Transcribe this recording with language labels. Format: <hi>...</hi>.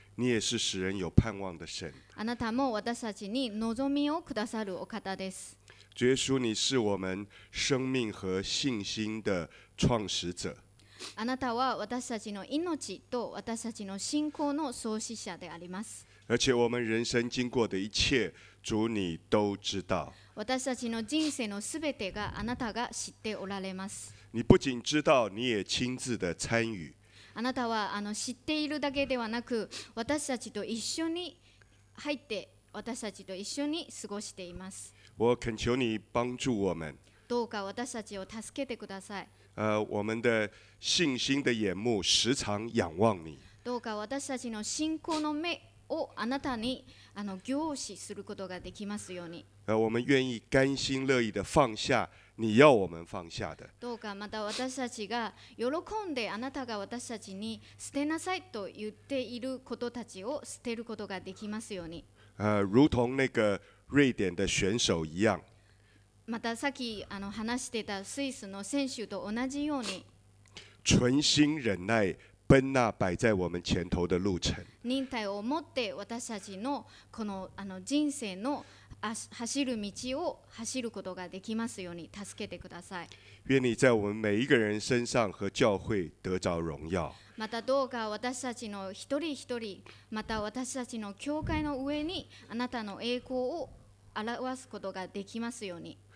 <zh>你也是使人有盼望的神。</zh> <ja>あなたも私たちに望みをくださるお方です。</ja> <zh>主耶稣，你是我们生命和信心的创始者。</zh> <ja>あなたは私たちの命と私たちの信仰の創始者であります。</ja> <zh>而且我们人生经过的一切，主你都知道。</zh> <ja>私たちの人生のすべてがあなたが知っておられます。</ja> <zh>你不仅知道，你也亲自的参与。</zh> <ja>あなたはあの知っているだけではなく、私たちと一緒に入って、私たちと一緒に過ごしています。</ja> <zh>我恳求你帮助我们。</zh> <ja>どうか私たちを助けてください。</ja> <zh>我们的信心的眼目时常仰望你。</zh> <ja>どうか私たちの信仰の目をあなたにあの凝視することができますように。</ja> <zh>我们愿意甘心乐意的放下你要我们放下的。</zh> <ja>どうかまた私たちが喜んであなたが私たちに捨てなさいと言っていることたちを捨てることができますように。</ja> <zh>如同那个瑞典的选手一样。</zh> <ja>またさっき話してたスイスの選手と同じように。</ja> <zh>存心忍耐，奔那摆在我们前头的路程。</zh> <ja>忍耐を持って私たちのこの人生の走る道を走ることができますように助けてください。</ja> <zh>愿你在我们每一个人身上和教会得着荣耀。</zh> <ja>またどうか私たちの一人一人、また私たちの教会の上にあなたの栄光を表すことができますように。</ja>